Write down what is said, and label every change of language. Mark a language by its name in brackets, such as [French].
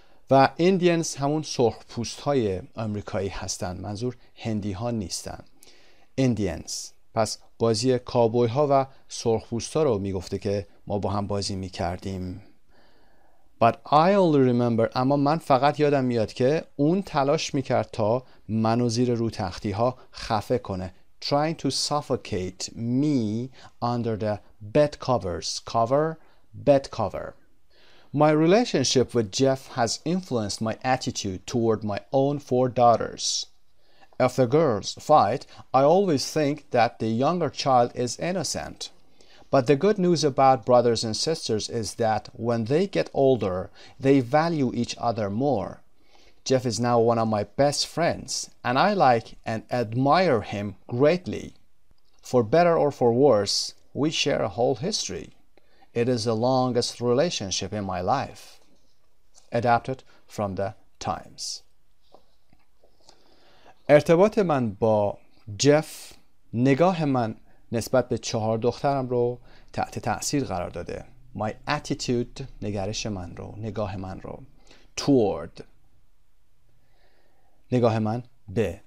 [Persian] و ایندینز همون سرخ پوست های امریکایی هستن، منظور هندی ها نیستن، ایندینز. پس بازی کابوی ها و سرخ پوست ها رو میگفته که ما با هم بازی میکردیم. [English] But I only remember، [Persian] اما من فقط یادم میاد که اون تلاش میکرد تا منو زیر رو تختی ها خفه کنه. [English] Trying to suffocate me under the bed covers. Cover, bed cover. My relationship with Jeff has influenced my attitude toward my own four daughters. If the girls fight, I always think that the younger child is innocent. But the good news about brothers and sisters is that when they get older, they value each other more. Jeff is now one of my best friends, and I like and admire him greatly. For better or for worse, we share a whole history. It is the longest relationship in my life. Adapted from the Times. [Persian] ارتباط من با جف، نگاه من نسبت به چهار دخترم رو تحت تأثیر قرار داده. [English] My attitude، [Persian] نگرش من رو، نگاه من رو. Toward، نگاه من به.